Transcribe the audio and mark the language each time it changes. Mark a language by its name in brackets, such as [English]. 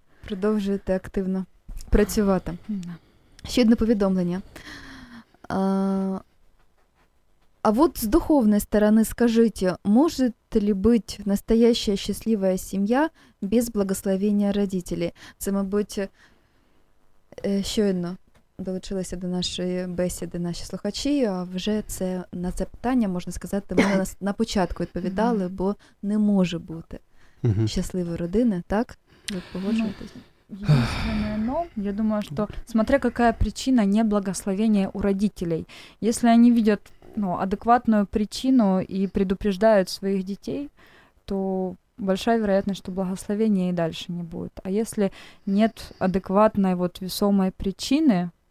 [Ukrainian] Продолжите активно працювати. Ще одне повідомлення. [Russian] А вот с духовной стороны скажите, может ли быть настоящая счастливая семья без благословения родителей? [Ukrainian] Це, мабуть, щойно долучилися до нашої бесіди наші слухачі, а вже це на це питання, можна сказати, ми на початку відповідали, бо не може бути щасливої родини, так? Ви погоджуєтеся? [Russian] Единственное, но я думаю, что смотря какая причина неблагословения у родителей, если они видят, ну, адекватную причину и предупреждают своих детей, то большая вероятность, что благословения и дальше не будет. А если нет адекватной вот весомой причины,